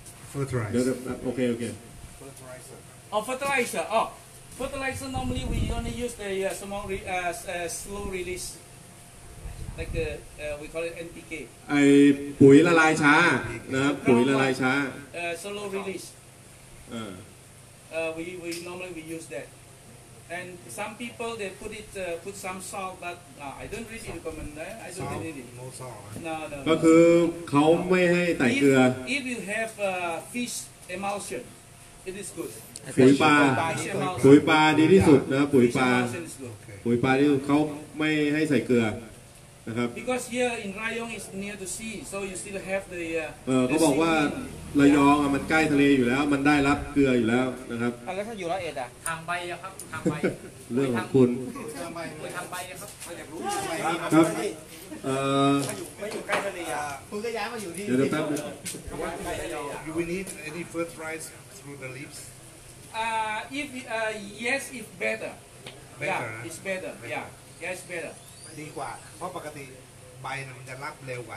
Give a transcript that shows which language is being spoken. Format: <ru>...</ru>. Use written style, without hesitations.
<en>fertilizer fertilizer oh fertilizer normally we only use the small slow release like we call it NPK</en> <th>ไอ้ปุ๋ยละลายช้านะครับปุ๋ยละลายช้า</th> <en>slow release we normally we use thatAnd some people they put it put some salt but I don't really recommend that I don't need it no salt no</en> <th>ก็คือเขาไม่ให้ใส่เกลือ</th> <en>if you have fish emulsion it is good</en> <th>ปุ๋ยปลาปุ๋ยปลาดีที่สุดนะปุ๋ยปลาปุ๋ยปลาที่เขาไม่ให้ใส่เกลือนะครับ</th> <en>because here in Rayong is near the sea so you still have the</en> <th>เขาบอกว่าระยองอ่ะมันใกล้ทะเลอยู่แล้วมันได้รับเกลืออยู่แล้วนะครับ แล้วถ้าอยู่ร้อยเอ็ดอ่ะ ทางใบครับทางใบ เรื่องของคุณ ทางใบครับมันอยากรู้ท าง ใบครับ ไม่อยู่ใกล้ทะเลอ่ะ คุณก็ย้ายมาอยู่ที่ เดี๋ยวแป๊บนึง</th> <en>You will need any fertilizer through the leaves if yes if better yeah it's better yeah yes better</en> <th>ดีกว่าเพราะปกติใบมันจะรับเร็วกว่า</th>